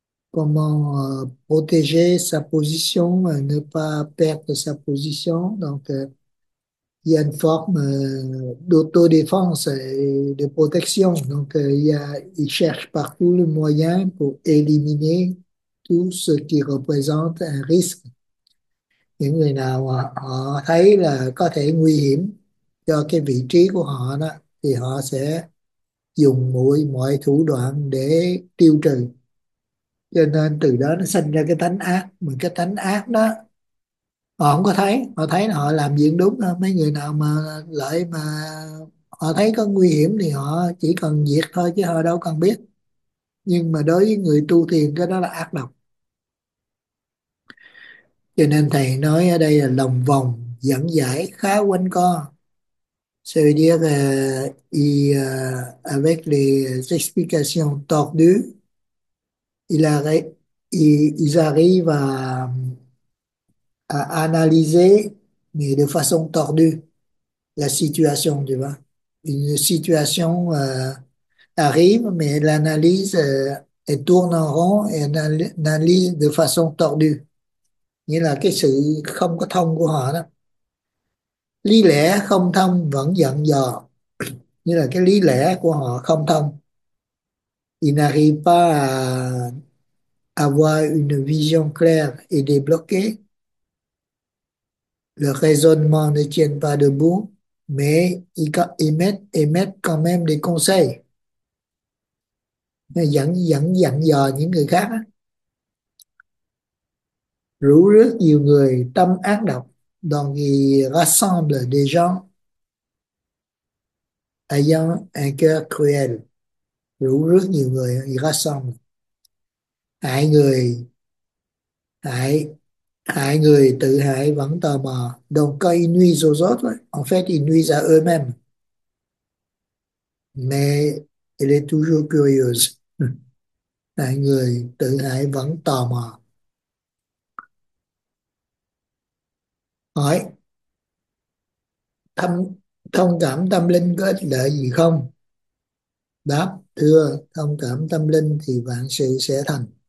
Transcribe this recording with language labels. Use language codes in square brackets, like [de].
[fr] Comment protéger sa position, ne pas perdre sa position. Donc, il y a une forme d'autodéfense et de protection. Donc, il cherche par tous les moyens pour éliminer tout ce qui représente un risque. [vi] Những người nào họ thấy là có thể nguy hiểm cho cái vị trí của họ đó thì họ sẽ dùng mọi thủ đoạn để tiêu trừ. Cho nên từ đó nó sinh ra cái tánh ác. Mà cái tánh ác đó họ không có thấy, họ thấy là họ làm việc đúng đó. Mấy người nào mà lại mà họ thấy có nguy hiểm thì họ chỉ cần diệt thôi chứ họ đâu cần biết. Nhưng mà đối với người tu thiền cái đó là ác độc. Cho nên thầy nói ở đây là lòng vòng dẫn giải khá quanh co. [fr] Ça veut dire avec les explications tordues, ils arrivent à analyser, mais de façon tordue, la situation, tu vois. Une situation arrive, mais l'analyse elle tourne en rond et analyse de façon tordue. [vi] Nghĩa là cái sự không có thông của họ đó. Lý lẽ không thông vẫn dặn dò. Như là cái lý lẽ của họ không thông. [fr] Ils n'arrivent pas à avoir une vision claire et débloquée. Le raisonnement ne tient pas debout, mais ils émettent quand même des conseils. [vi] Dặn dò những người khác á. Rủ rước nhiều người tâm ác độc. [fr] Donc, il rassemble des gens ayant un cœur cruel. [vi] Rủ rước nhiều người, [fr] il rassemble. [vi] Hại người tự hại vẫn tò mò. [fr] Donc, quand ils nuisent aux autres, en fait, ils nuisent à eux-mêmes. Mais, elle est toujours curieuse. [vi] Hại người tự hại vẫn tò mò. Hỏi thông cảm tâm linh có ích lợi gì không? Đáp, thưa, thông cảm tâm linh thì vạn sự sẽ thành.